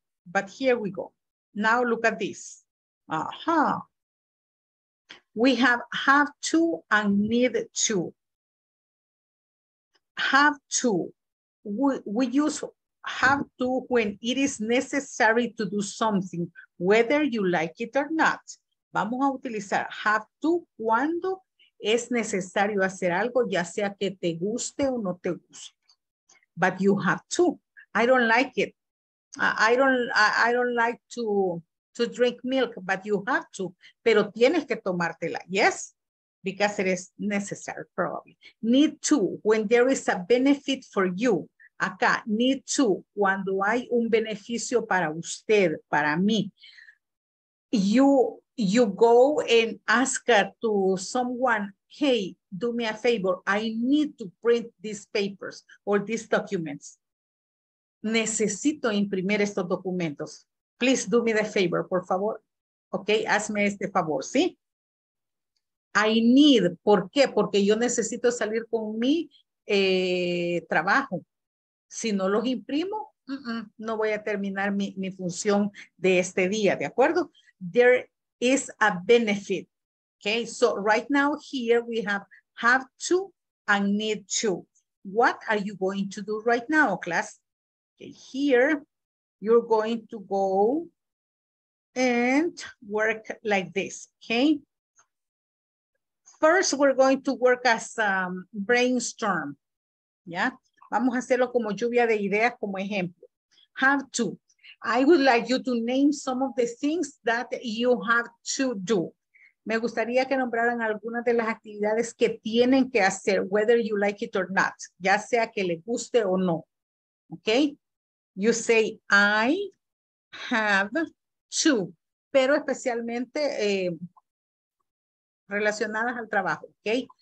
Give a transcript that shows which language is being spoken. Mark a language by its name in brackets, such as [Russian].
[English] But here we go. Now look at this. Uh-huh. We have to and need to. Have to, we use have to when it is necessary to do something, whether you like it or not. [Spanish] Vamos a utilizar have to cuando es necesario hacer algo, ya sea que te guste o no te guste. [English] But you have to. I don't like it. I don't like to drink milk, but you have to. [Spanish] Pero tienes que tomártela, [English] yes? Because it is necessary, probably. Need to, when there is a benefit for you. [Spanish] Acá, need to, cuando hay un beneficio para usted, para mí. [English] You go and ask to someone, hey, do me a favor. I need to print these papers or these documents. [Spanish] Necesito imprimir estos documentos. [English] Please do me the favor, [Spanish] por favor. Okay, hazme este favor, ¿sí? [English] I need, [Spanish] ¿por qué? Porque yo necesito salir con mi trabajo. Si no los imprimo, no voy a terminar mi función de este día, ¿de acuerdo? [English] There is a benefit. Okay, so right now here we have to and need to. What are you going to do right now, class? Okay, here you're going to go and work like this, okay? First, we're going to work as brainstorm, ¿ya? [Spanish] Vamos a hacerlo como lluvia de ideas, como ejemplo. [English] Have to. I would like you to name some of the things that you have to do. [Spanish] Me gustaría que nombraran algunas de las actividades que tienen que hacer, [English] whether you like it or not, [Spanish] ya sea que le guste o no, okay? [English] You say, I have to, [Spanish] pero especialmente, relacionadas al trabajo, [English] okay?